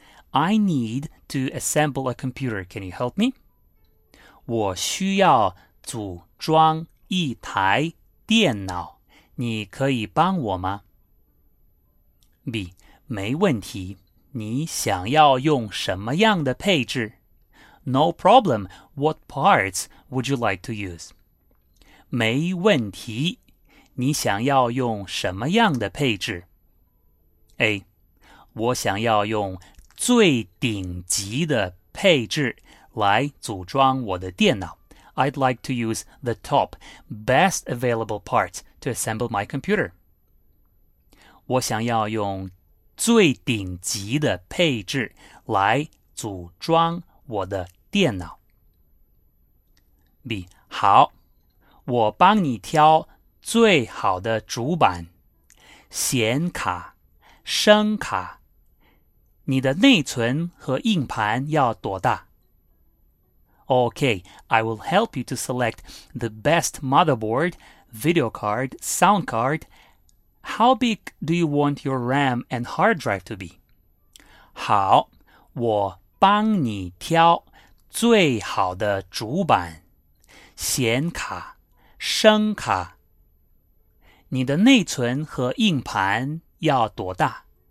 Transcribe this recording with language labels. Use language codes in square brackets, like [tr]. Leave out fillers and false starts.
[en] I need to assemble a computer. Can you help me? [zh] 我需要组装一台电脑，你可以帮我吗？ [en] B. [zh] 没问题，你想要用什么样的配置？ [en] No problem, what parts would you like to use? [zh] 没问题，你想要用什么样的配置？ [en] A. [zh] 我想要用最顶级的配置来组装我的电脑。 [en] I'd like to use the top, best available parts to assemble my computer. [zh] 我想要用最顶级的配置来组装我的电脑。B. 好，我帮你挑最好的主板、显卡、声卡。你的内存和硬盘要多大？ [en] Okay, I will help you to select the best motherboard, video card, sound card. How big do you want your RAM and hard drive to be? [zh] 好，我帮你挑最好的主板、显卡、声卡。你的内存和硬盘要多大？